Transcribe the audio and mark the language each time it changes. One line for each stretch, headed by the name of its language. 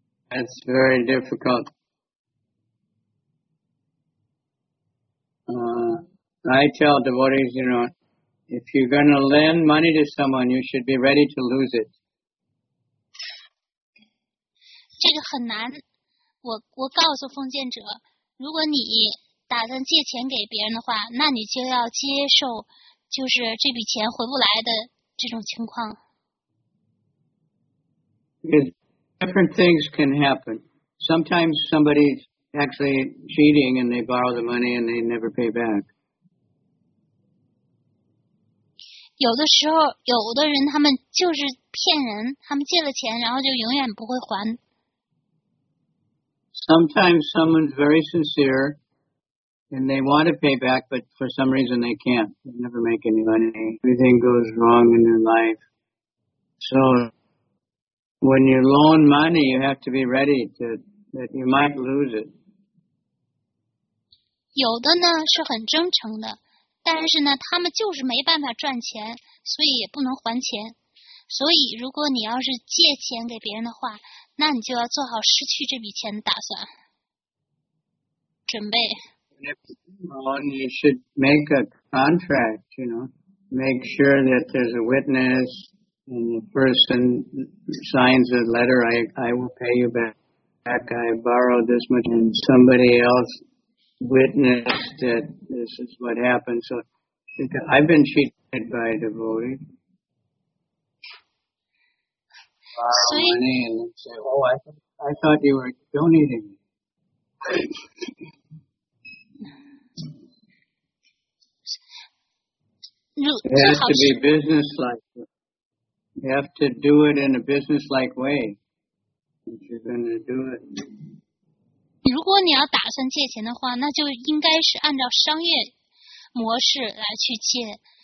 English: That's very difficult. I tell devotees, you know, if you're going to lend money to someone, you should be ready to lose it.
Chinese: 这个很难。我告诉奉献者，如果你打算借钱给别人的话，那你就要接受就是这笔钱回不来的这种情况。
English: Because different things can happen. Sometimes somebody's actually cheating and they borrow the money and they never pay back.
Chinese: 有的时候，有的人他们就是骗人，他们借了钱然后就永远不会还。
English: Sometimes someone's very sincere. And they want to pay back, but for some reason they can't. They never make any money. Everything goes wrong in their life. So when you loan money, you have to be ready that you might lose it.
Chinese: 有的呢是很真诚的，但是呢他们就是没办法赚钱，所以也不能还钱。所以如果你要是借钱给别人的话，那你就要做好失去这笔钱的打算，准备。
English: You should make a contract, you know, make sure that there's a witness and the person signs a letter, I will pay you back, I borrowed this much, and somebody else witnessed that this is what happened. So I've been cheated by a devotee. Borrow money and say, I thought you were donating. It has to be business-like. You have to do it in a business-like way. If you're going to do it.
Chinese: 如果你要打算借钱的话，那就应该是按照商业模式来去借。